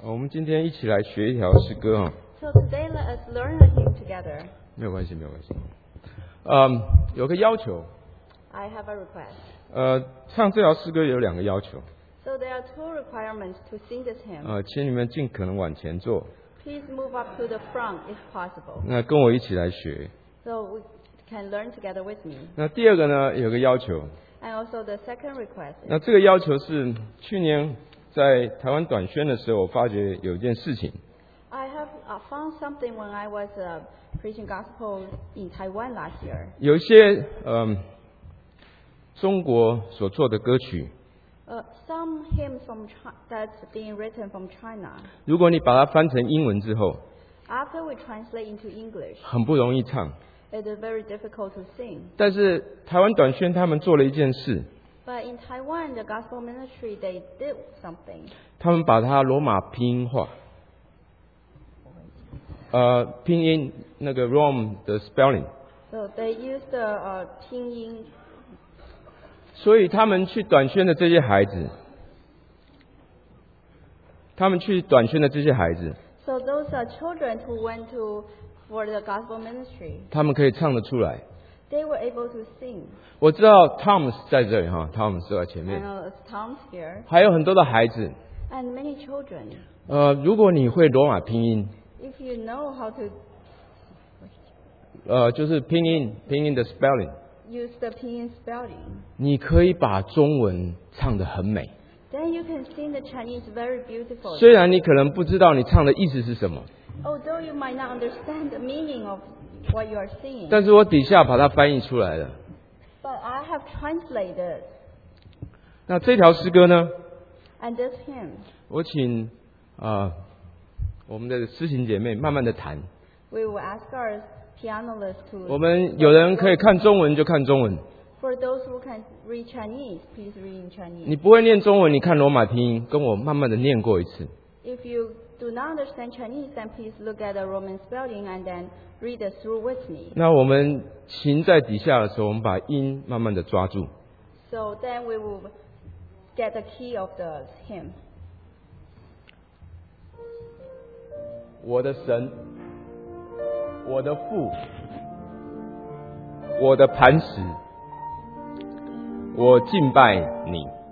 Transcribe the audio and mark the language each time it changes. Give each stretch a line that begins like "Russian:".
Chinese: 我们今天一起来学一条诗歌哈。
English: So today let us learn a hymn together.
Chinese: 没有关系，没有关系。有个要求。
English: I have a request.
Chinese: 唱这条诗歌有两个要求。
English: So there are two requirements to sing this hymn.
Chinese: 请你们尽可能往前坐。
English: Please move up to the front if possible.
Chinese: 那跟我一起来学。
English: So we can learn together with me.
Chinese: 那第二个呢，有个要求。
English: And also the second request.
Chinese: 那这个要求是去年在台湾短宣的时候，我发觉有一件事情。
English: I have found something when I was preaching gospel in Taiwan last year.
Chinese: 有一些中国所做的歌曲。
English: Some hymns from that's being written from China.
Chinese: 如果你把它翻成英文之后
English: ，After we translate into English，
Chinese: 很不容易唱。
English: It is very difficult to sing.
Chinese: 但是台湾短宣他们做了一件事。
English: But in Taiwan, the gospel ministry they did something.
Chinese: 他们把它罗马拼音化。拼音那个 Rome 的 spelling。
English: So they used the 拼音。
Chinese: 所以他们去短宣的这些孩子，他们去短宣的这些孩子
English: ，So those are children who went to for the gospel ministry.
Chinese: 他们可以唱得出来。
English: They were able to sing.
Chinese: 我知道 Tom's 在这里哈 ，Tom's 在前面。
English: I know Tom's here.
Chinese: 还有很多的孩子。
English: And many children.
Chinese: 如果你会罗马拼音
English: ，If you know how to，
Chinese: 就是拼音的 spelling。
English: Use the pinyin spelling.
Chinese: 你可以把中文唱得很美。
English: Then you can sing the Chinese very beautiful.
Chinese: 虽然你可能不知道你唱的意思是什么。
English: Although you might not understand the meaning of what you are singing.
Chinese: 但是我底下把它翻译出来了。
English: But I have translated.
Chinese: 那这条诗歌呢
English: ？And this hymn.
Chinese: 我请我们的诗琴姐妹慢慢的弹。
English: We will ask our
Chinese: 我们有人可以看中文就看中文。
English: For those who can read Chinese, please read in Chinese.
Chinese: 你不会念中文，你看罗马拼音，跟我慢慢的念过一次。
English: If you do not understand Chinese, then please look at the Roman spelling and then read it through with me.
Chinese: 那我们琴在底下的时候，我们把音慢慢的抓住。
English: So then we will get the key of the hymn.
Chinese: 我的神。我的父，我的磐石，我敬拜你。